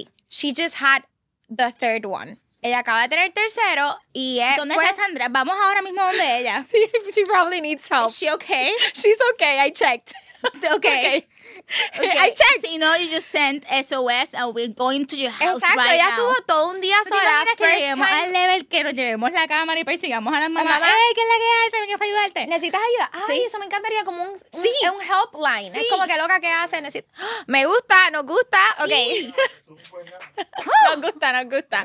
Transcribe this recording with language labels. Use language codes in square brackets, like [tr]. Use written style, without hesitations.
[en] She just had the third one. [es] Ella acaba de tener tercero y es. ¿Dónde está Sandra? Vamos ahora mismo donde ella. [en] Sí, she probably needs help. Is she okay? She's okay, I checked. Okay. I checked. So, you know, you just sent SOS and we're going to your house. [es] Exacto, [en] right. [es] Exacto, ya estuvo todo un día sola. Mira que lleguemos al level que nos llevemos la cámara y persigamos a las mamás. Mamá. ¡Ey, qué es la que hay! ¿También para ayudarte? ¿Necesitas ayuda? Ay, sí. Eso me encantaría como un helpline. Sí. Es como que loca que hace. Necesito... ¡Oh! Me gusta, nos gusta. Sí. Ok. Nos gusta. Nos gusta.